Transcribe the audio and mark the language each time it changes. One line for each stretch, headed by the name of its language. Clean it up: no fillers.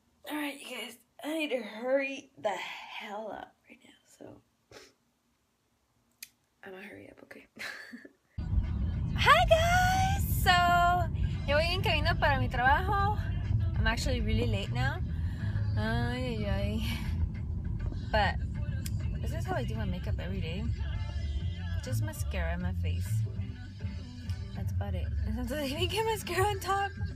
English: Alright, you guys, I need to hurry the hell up right now, so I'm gonna hurry up, okay? Hi guys!
Spanish: So, yo voy en camino para mi trabajo.
English: I'm actually really late now. Ay, ay, ay. But this is how I do my makeup every day. Just mascara in my face. That's about it. And sometimes I even get mascara on top.